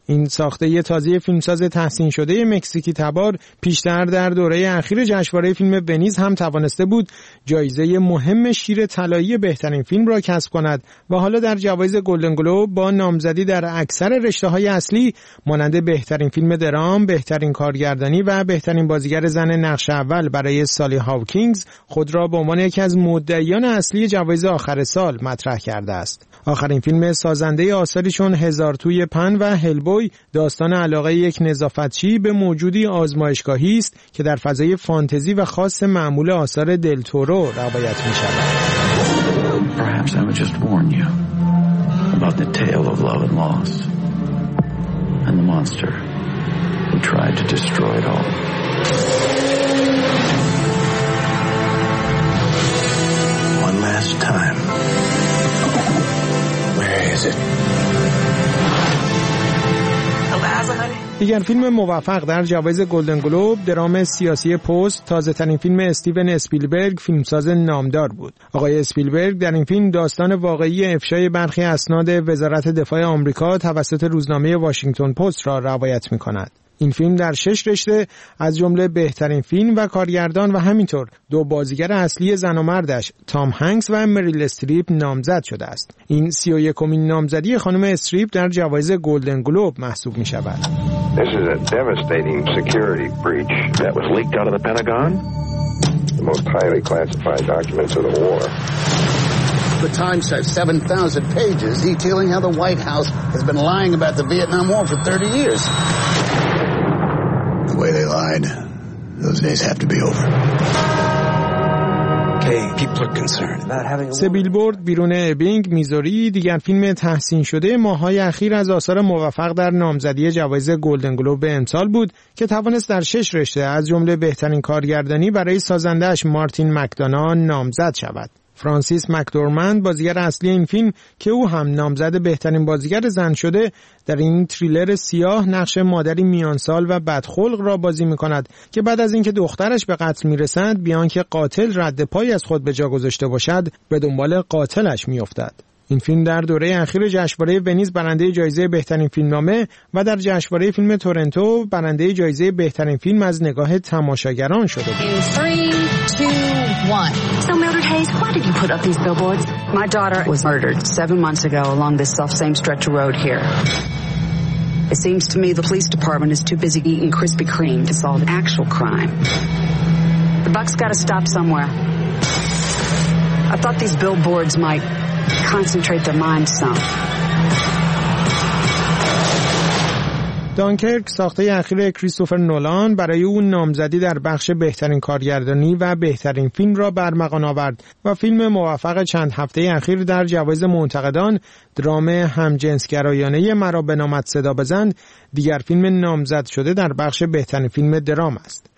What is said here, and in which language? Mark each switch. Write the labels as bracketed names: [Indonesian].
[Persian] این ساخته تازه فیلمساز تحسین شده مکزیکی تبار پیشتر در دوره اخیر جشنواره فیلم ونیز هم توانسته بود جایزه مهم شیر طلایی بهترین فیلم را کسب کند و حالا در جوایز گلدن گلوب با نامزدی در اکثر رشته‌های اصلی مانند بهترین فیلم درام، بهترین کارگردانی و بهترین بازیگر زن نقش اول برای سالی هاوکینگز خود را به عنوان یکی از مدعیان اصلی جوایز آخر سال مطرح کرده است. آخرین فیلم سازنده آثاری چون هزار توی پن و هلبوی داستان علاقه یک نظافتچی به موجودی آزمایشگاهی است که در فضای فانتزی و خاص معمول آثار دل تورو روایت می شود. [English] Perhaps I would just warn you about the tale of love and loss and the monster who tried to destroy it all. One last time. Where is it? Eliza, honey. [Persian] دیگر فیلم موفق در جوایز گلدن گلوب درام سیاسی پست تازه ترین فیلم استیون اسپیلبرگ فیلمساز نامدار بود. آقای اسپیلبرگ در این فیلم داستان واقعی افشای برخی اسناد وزارت دفاع آمریکا توسط روزنامه واشنگتن پست را روایت می‌کند. این فیلم در 6 رشته از جمله بهترین فیلم و کارگردان و همینطور دو بازیگر اصلی زن و مردش تام هنگس و مریل استریپ نامزد شده است. این 31مین نامزدی خانم استریپ در جوایز گلدن گلوب محسوب می شود. [English] This is a devastating security breach that was leaked out of the Pentagon. The most highly classified documents of the war. The Times has 7,000 pages detailing how the White House has been lying about the Vietnam War for 30 years. The way they lied, those days have to be over. [Persian] سه بیلبورد بیرون ابینگ میزوری دیگر فیلم تحسین شده ماهای اخیر از آثار موفق در نامزدی جوایز گلدن گلوب به امسال بود که توانست در 6 رشته از جمله بهترین کارگردانی برای سازندهش مارتین مکدانا نامزد شود. فرانسیس مکدورمند بازیگر اصلی این فیلم که او هم نامزد بهترین بازیگر زن شده در این تریلر سیاه نقش مادری میانسال و بدخلق را بازی می‌کند که بعد از اینکه دخترش به قتل می‌رسد بیان که قاتل رد پای از خود به جا گذاشته باشد به دنبال قاتلش می‌افتد. این فیلم در دوره اخیر جشنواره ونیز برنده جایزه بهترین فیلمنامه و در جشنواره فیلم تورنتو برنده جایزه بهترین فیلم از نگاه تماشاگران شده بود. [English] 3, 2, 1. So Mildred Hayes, why did you put up these billboards? My daughter was murdered 7 months ago along this self-same stretch of road here. It seems to me the police department is too busy eating Krispy Kreme to solve an actual crime. The buck's got to stop somewhere. I thought these billboards might concentrate their minds some. [Persian] دانکرک ساخته اخیر کریستوفر نولان برای او نامزدی در بخش بهترین کارگردانی و بهترین فیلم را برمقان آورد و فیلم موفق چند هفته اخیر در جوایز منتقدان درام همجنسگرایانه مرا به نامت صدا بزند دیگر فیلم نامزد شده در بخش بهترین فیلم درام است.